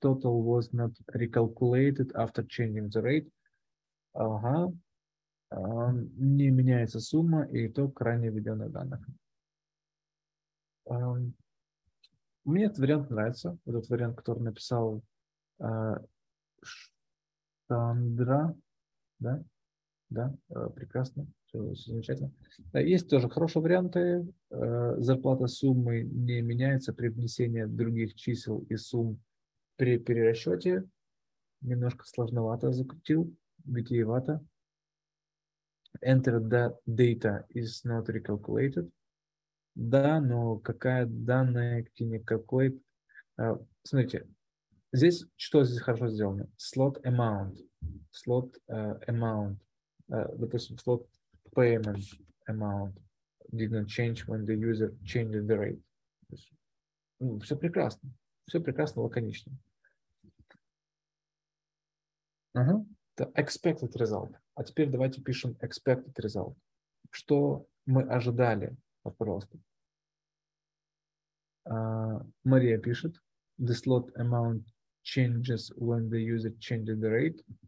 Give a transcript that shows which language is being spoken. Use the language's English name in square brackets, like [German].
[English] Total was not recalculated after changing the rate. [Russian] Ага. Не меняется сумма и итог ранее введенных данных. Мне этот вариант нравится. Вот этот вариант, который написал Штандра. Да? Да? Прекрасно. Все замечательно. Есть тоже хорошие варианты. Зарплата суммы не меняется при внесении других чисел и сумм при перерасчете. Немножко сложновато закрутил. Витиевато. [English] Enter the data is not recalculated. [Russian] Да, но какая данная, какие-никакой. Смотрите, Здесь что здесь хорошо сделано? [English] Slot amount. Slot amount. Допустим, slot payment amount didn't change when the user changed the rate. [Russian] Ну, все прекрасно. Все прекрасно, лаконично. Это expected result. А теперь давайте пишем expected result. Что мы ожидали? Вот, пожалуйста. Мария пишет. [English] The slot amount changes when the user changes the rate.